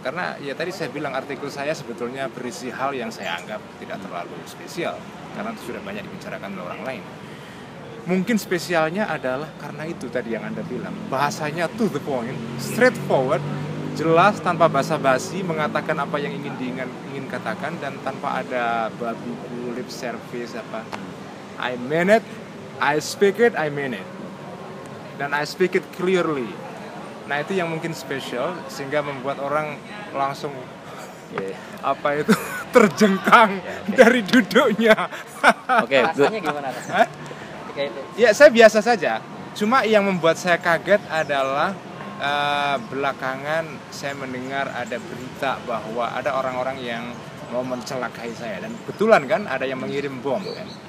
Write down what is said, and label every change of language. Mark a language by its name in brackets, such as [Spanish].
[Indonesian] Karena ya tadi saya bilang artikel saya sebetulnya berisi hal yang saya anggap tidak terlalu spesial karena itu sudah banyak dibicarakan oleh orang lain. mungkin spesialnya adalah karena itu tadi yang Anda bilang, bahasanya [English] to the point, straightforward, [Indonesian] jelas tanpa basa-basi, mengatakan apa yang ingin katakan dan tanpa ada babi lip service apa. [English] I mean it, I speak it, I mean it. [Indonesian] Dan [English] I speak it clearly. [Indonesian] Nah itu yang mungkin special sehingga membuat orang langsung apa itu terjengkang dari duduknya. Oke, rasanya gimana rasanya? Ketika itu. Ya saya biasa saja. Cuma yang membuat saya kaget adalah belakangan saya mendengar ada berita bahwa ada orang-orang yang mau mencelakai saya dan kebetulan kan ada yang mengirim bom kan.